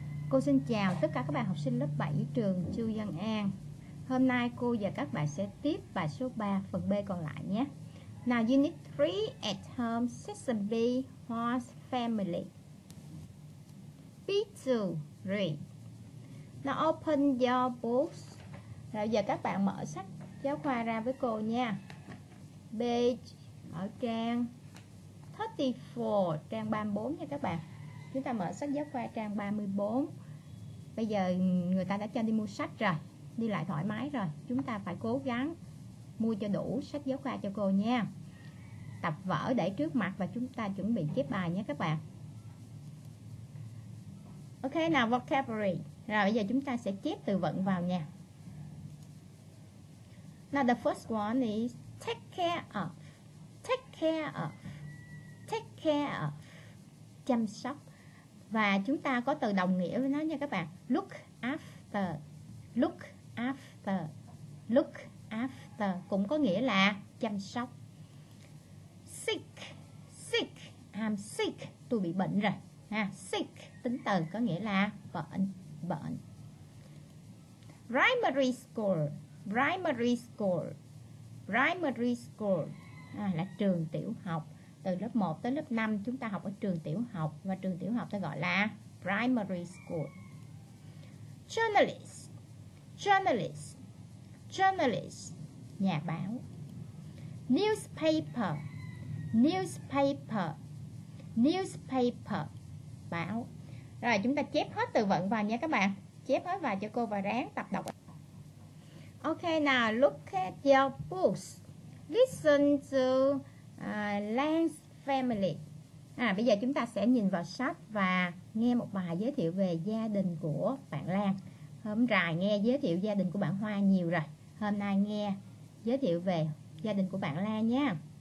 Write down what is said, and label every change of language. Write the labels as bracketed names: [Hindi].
[Vietnamese] Cô xin chào tất cả các bạn học sinh lớp 7 trường Chu Văn An. Hôm nay cô và các bạn sẽ tiếp bài số 3 phần B còn lại nhé. [English] Now unit 3 at home, section B, horse family. B2, read. Now open your books. [Vietnamese] Rồi giờ các bạn mở sách giáo khoa ra với cô nha. Page ở trang 34, trang 34 nha các bạn. Chúng ta mở sách giáo khoa trang 34. Bây giờ người ta đã cho đi mua sách rồi, đi lại thoải mái rồi. Chúng ta phải cố gắng mua cho đủ sách giáo khoa cho cô nha. Tập vở để trước mặt và chúng ta chuẩn bị chép bài nha các bạn. Ok nào, vocabulary. Rồi bây giờ chúng ta sẽ chép từ vựng vào nha. [English] Now the first one is take care of. Take care of. Take care of. [Vietnamese] Chăm sóc. Và chúng ta có từ đồng nghĩa với nó nha các bạn. [English] Look after. [Vietnamese] Look after. Look after cũng có nghĩa là chăm sóc. [English] Sick. Sick. I'm sick. [Vietnamese] Tôi bị bệnh rồi ha. Sick tính từ có nghĩa là bệnh. Bệnh. [English] Primary school. Primary school. Primary school [Vietnamese] là trường tiểu học. Từ lớp 1 tới lớp 5 chúng ta học ở trường tiểu học. Và trường tiểu học ta gọi là primary school. [English] Journalist. Journalist. Journalist. [Vietnamese] Nhà báo. [English] Newspaper. Newspaper. Newspaper. [Vietnamese] Báo. Rồi chúng ta chép hết từ vựng vào nha các bạn. Chép hết vào cho cô và ráng tập đọc. [English] Ok nào, look at your books. Listen to Lang's family. [Vietnamese] Bây giờ chúng ta sẽ nhìn vào sách và nghe một bài giới thiệu về gia đình của bạn Lan. Hôm rài nghe giới thiệu gia đình của bạn Hoa nhiều rồi. Hôm nay nghe giới thiệu về gia đình của bạn Lan nha.